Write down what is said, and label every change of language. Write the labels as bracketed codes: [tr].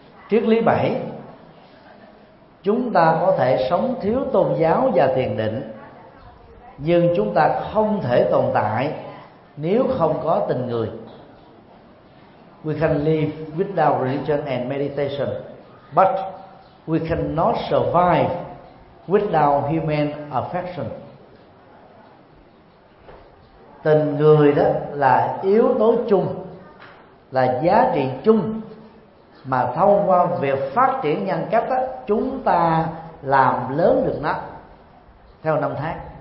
[vi] Triết lý 7: chúng ta có thể sống thiếu tôn giáo và thiền định, nhưng chúng ta không thể tồn tại nếu không có tình người. [en] We can live without religion and meditation, but we cannot survive without human affection. [vi] Tình người đó là yếu tố chung, là giá trị chung, mà thông qua việc phát triển nhân cách đó, chúng ta làm lớn được nó theo năm tháng.